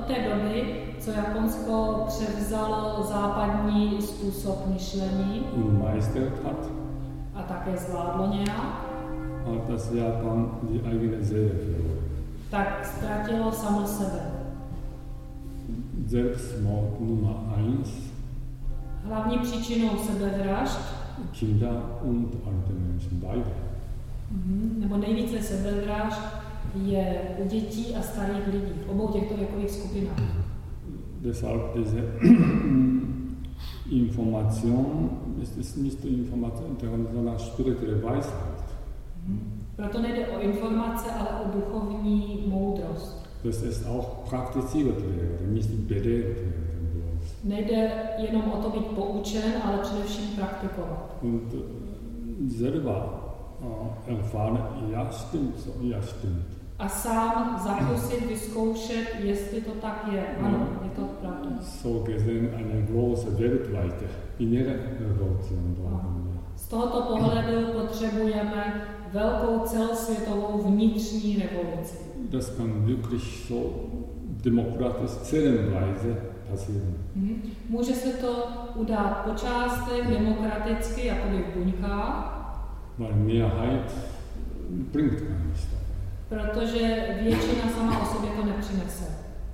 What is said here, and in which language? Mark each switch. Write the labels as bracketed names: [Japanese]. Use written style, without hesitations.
[Czech] Od té doby, co Japonsko převzalo západní způsob myšlení [German] und meistert hat. [Czech] A také zvládlo nějak. [German] Hat das Japan die eigene Seele verloren. [Czech] Tak ztratilo samo sebe. [German] Selbstmord Nummer 1. [Czech] Hlavní příčinou sebevražd. [German] Kinder und alte Menschen beide. [Czech] Nebo nejvíce sebevražd je u dětí a starých lidí, v obou těchto věkových skupinách. [German] Deshalb diese Information, es ist nicht die Information, sondern spirituelle Weisheit. [Czech] Proto nejde o informace, ale o duchovní moudrost. [German] Das ist auch praktiziert werden, nicht belehrt werden. [Czech] Nejde jenom o to být poučen, ale především praktikovat. [German] Und selber erfahren, ja stimmt, so, ja stimmt. [Czech] A sám zakusit, vyzkoušet, jestli to tak je. Ano, je to pravda. [German] So gesehen eine große weltweite innere Revolution brauchen wir. [Czech] Z tohoto pohledu potřebujeme velkou celosvětovou vnitřní revoluci. [German] Das kann wirklich so demokratisch zellenweise passieren. [Czech] Může se to udát po částech, demokraticky, jako by v buňkách. [German] Weil Mehrheit bringt gar nicht. [Czech] Protože většina sama o sobě to nepřinese.